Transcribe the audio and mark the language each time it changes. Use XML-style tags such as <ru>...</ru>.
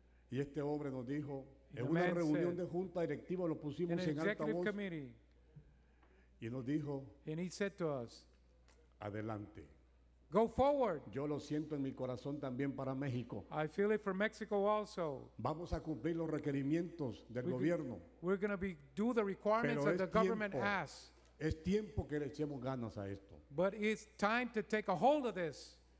<es>Y este hombre nos dijo, en una reunión de junta directiva lo pusimos en alta voz. Y nos dijo,</es> <en>and he said to us,</en> <es>adelante.</es> <en>Go forward.</en> <es>Yo lo siento en mi corazón también para México.</es> <en>I feel it for Mexico also.</en> <es>Vamos a cumplir los requerimientos del gobierno.</es> <en>We're going to do the requirements that the government has.</en> <es>Es tiempo que le echemos ganas a esto.</es> <en>But it's time to take a hold of this.</en>